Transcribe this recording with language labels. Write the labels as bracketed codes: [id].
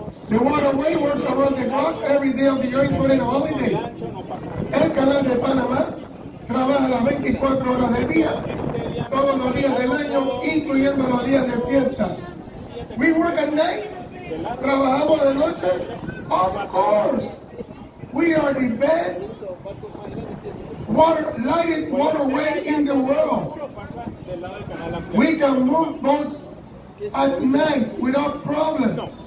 [en] The waterway works around the clock every day of the year, including holidays. [es] El canal de Panamá trabaja las 24 horas del día, todos los días del año, incluyendo los días de fiesta. [en] We work at night. [es] Trabajamos de noche. [en] Of course, we are the best lighted waterway in the world. We can move boats at night without problem.